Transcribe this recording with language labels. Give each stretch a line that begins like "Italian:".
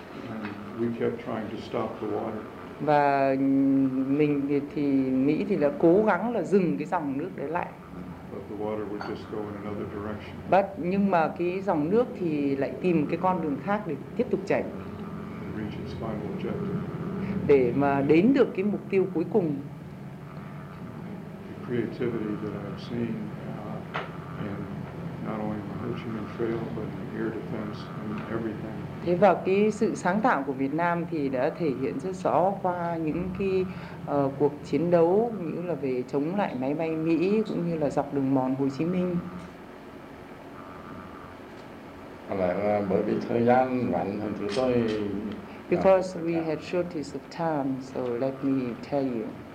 English: And we kept trying to stop the water.
Vietnamese: Và mình thì Mỹ thì là cố gắng là dừng cái dòng nước đấy lại.
English: But the water would just go in another direction.
Vietnamese: But nhưng mà cái dòng nước thì lại tìm cái con đường khác để tiếp tục chảy.
English: And reach its final objective.
Vietnamese: Để mà đến được cái mục tiêu cuối cùng.
English: The creativity that I've seen in not only the Ho Chi Minh Trail but in air defense and everything.
Vietnamese: Thế và cái sự sáng tạo của Việt Nam thì đã thể hiện rất rõ qua những cái cuộc chiến đấu như là về chống lại máy bay Mỹ cũng như là dọc đường mòn Hồ Chí Minh. Có lẽ là bởi vì thời gian ngắn thì chúng tôi...
English: Because we had shortage of time, so let me tell you.